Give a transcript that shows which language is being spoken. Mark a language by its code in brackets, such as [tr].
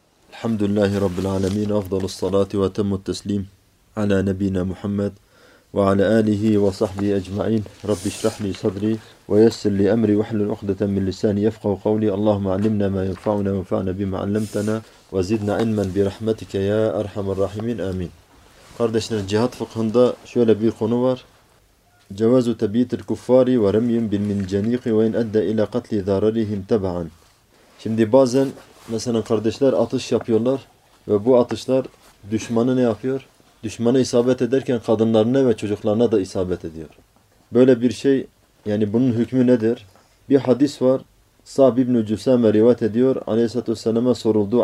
[ar] الحمد لله رب العالمين، أفضل الصلاة وأتم التسليم على نبينا محمد وعلى آله وصحبه أجمعين. رب اشرح لي صدري ويسر لي أمري واحلل عقدة من لساني يفقه قولي. اللهم علمنا ما ينفعنا وانفعنا بما علمتنا وزدنا علما برحمتك يا أرحم الراحمين، آمين. [tr] Kardeşler, cihat fıkhında şöyle bir konu var. [ar] جواز تبييت الكفار ورمي بالمنجنيق وإن أدى إلى قتل ضررهم تبعا. [tr] Şimdi bazen mesela kardeşler atış yapıyorlar ve bu atışlar düşmanı ne yapıyor? Düşmanı isabet ederken kadınlarına ve çocuklarına da isabet ediyor. Böyle bir şey, yani bunun hükmü nedir? Bir hadis var. Sa'b ibn-i Cüsame rivayet ediyor. Aleyhisselatü vesselam'a soruldu.